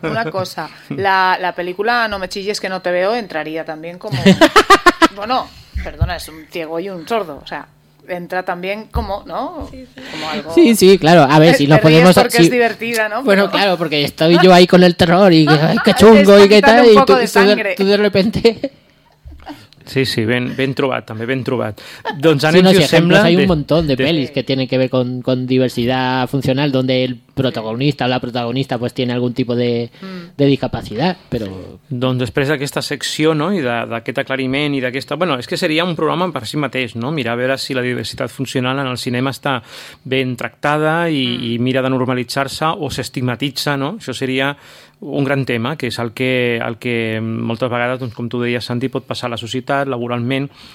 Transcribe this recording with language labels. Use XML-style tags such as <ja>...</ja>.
<es>Una cosa, la película No me chilles que no te veo entraría también como... Bueno, perdona, es un ciego y un sordo, o sea... Entra también como, ¿no? Sí, sí. Como algo... Sí, sí, claro. A ver, si nos podemos... Porque sí. Es divertida, ¿no? Bueno, pero... claro, porque estoy yo ahí con el terror y ay, qué chungo y qué tal. Y tú de repente...</es> <ca>Sí, sí, ben trobat, també ben trobat. Doncs anem, sí, no, si ejemplos, sembla...</ca> <es>Hay un montón de pelis que tienen que ver con diversidad funcional, donde el protagonista o la protagonista pues tiene algún tipo de discapacidad, pero...</es> <ca>Doncs després d'aquesta secció, no?, i d'aquest aclariment i d'aquesta... Bueno, és que seria un programa per si mateix, no?, mirar a veure si la diversitat funcional en el cinema està ben tractada i mira de normalitzar-se o s'estigmatitza, no? Això seria... un gran tema, que és el que moltes vegades, doncs, com tu deies, Santi, pot passar a la societat, laboralment.</ca>